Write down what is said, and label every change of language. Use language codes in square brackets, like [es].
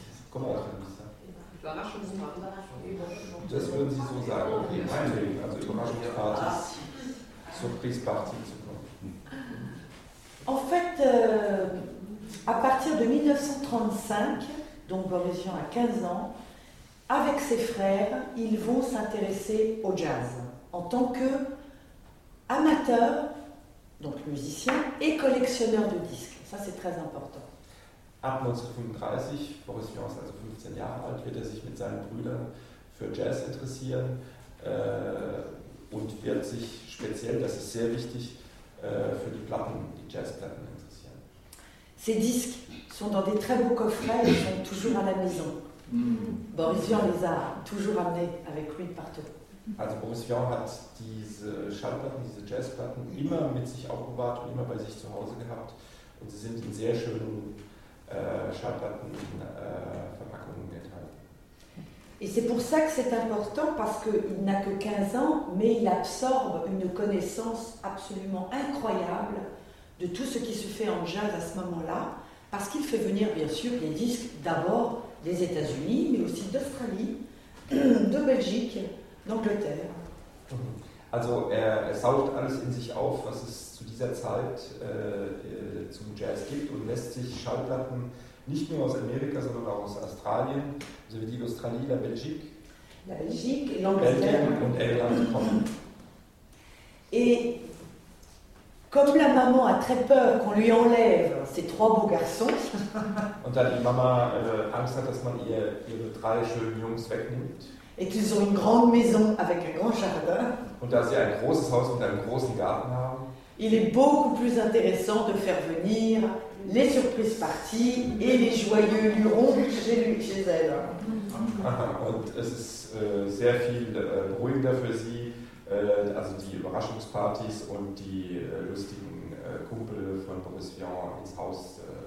[fr] Comment on appelle ça? [de] Das würden Sie so sagen, okay, meinetwegen, also Überraschungspartys, surprise party zu kommen. [fr] En fait, à partir de 1935, donc Boris Vian a 15 ans, avec ses frères, ils vont s'intéresser au jazz en tant qu'amateurs, donc musiciens, et collectionneurs de disques. Ça, c'est très important. [de] Ab 1935, Boris Vian ist also 15 Jahre alt, wird sich mit seinen Brüdern für Jazz interessieren und wird sich speziell, das ist sehr wichtig, für die Platten, die Jazzplatten interessieren. [fr] Ces disques sont dans des très beaux coffrets et sont toujours à la maison. Boris Vian les a toujours amenés avec lui partout. [de] Also Boris Vian hat diese Schallplatten, diese Jazzplatten immer mit sich aufbewahrt und immer bei sich zu Hause gehabt. Und sie sind in sehr schönen Schallplattenverpackungen enthalten. [fr] Et c'est pour ça que c'est important, parce qu'il n'a que 15 ans, mais il absorbe une connaissance absolument incroyable de tout ce qui se fait en jazz à ce moment-là, parce qu'il fait venir, bien sûr, les disques d'abord des États-Unis, mais aussi d'Australie, de Belgique, d'Angleterre. [de] Also er saugt alles in sich auf, was es zu dieser Zeit zum Jazz gibt, und lässt sich Schallplatten nicht nur aus Amerika, sondern auch aus Australien, so wie die Australie, [fr] la Belgique, l'Angleterre [de] und England kommen. [fr] Et comme la maman a très peur qu'on lui enlève ses trois beaux garçons. [de] Und da die Mama Angst hat, dass man ihre drei schönen Jungs wegnimmt. [fr] Et qu'ils ont une grande maison avec un grand jardin. [de] Und da sie ein großes Haus mit einem großen Garten haben. [fr] Il est beaucoup plus intéressant de faire venir les surprises parties et les joyeux lurons chez elle. [de] Und es ist sehr viel beruhigender für sie, also die Überraschungspartys und die lustigen Kumpel von Boris Vian ins Haus